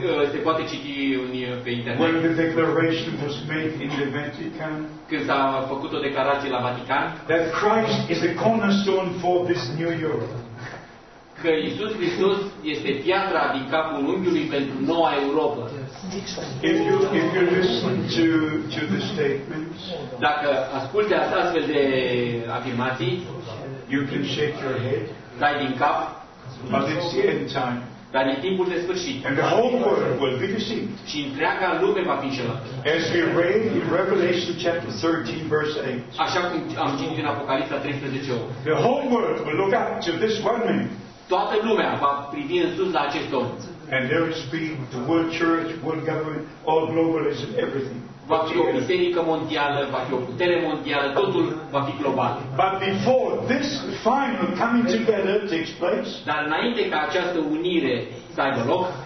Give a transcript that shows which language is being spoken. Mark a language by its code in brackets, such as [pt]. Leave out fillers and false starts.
[ro] Se poate citi pe internet. [en] When the declaration was made in the Vatican, [ro] când s-a făcut o declarație la Vatican, [en] that Christ is the cornerstone for this new Europe. [ro] că Iisus Hristos este piatra din capul unghiului pentru noua Europa. [en] If you listen to the statements, [ro] dacă asculte astfel de afirmații, [en] you can shake your head. [ro] Dai din cap. [en] But it's the end time. [ro] Dar e timpul de sfârșit. [en] And the whole world will be deceived. [ro] Și întreaga lume va fi înșelată. [en] As we read in Revelation chapter 13, verse 8. [ro] Așa cum am citit în Apocalipsa 13:8. [en] The whole world will look up to this one man. [ro] Toată lumea va privi în sus la acest om. [en] And there will be the world church, world government, all globalism, everything. [ro] Va fi o biserică mondială, va fi o putere mondială, totul va fi global. [en] But before this final coming together takes place, [ro] dar înainte ca această unire să aibă loc,